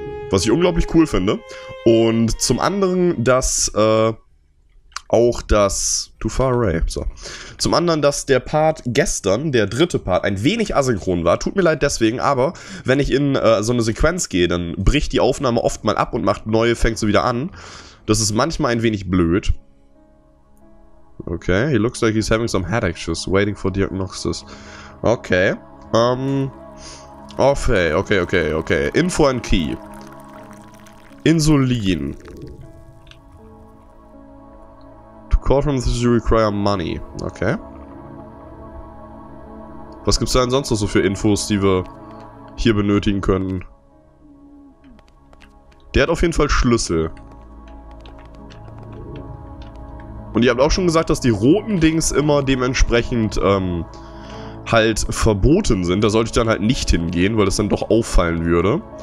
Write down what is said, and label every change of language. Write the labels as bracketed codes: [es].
[de] Was ich unglaublich cool finde. Und zum anderen, dass auch das... [en] Too far away. [de] So. Zum anderen, dass der Part gestern, der dritte Part, ein wenig asynchron war. Tut mir leid deswegen, aber wenn ich in so eine Sequenz gehe, dann bricht die Aufnahme oft mal ab und macht neue, fängt sie wieder an. Das ist manchmal ein wenig blöd. [en] Okay, he looks like he's having some headaches, just waiting for diagnosis. Okay. Okay. Info and Key. Insulin. To call from this you require money. Okay. [de] Was gibt's da denn sonst noch so für Infos, die wir hier benötigen können? Der hat auf jeden Fall Schlüssel. Und ihr habt auch schon gesagt, dass die roten Dings immer dementsprechend halt verboten sind. Da sollte ich dann halt nicht hingehen, weil das dann doch auffallen würde.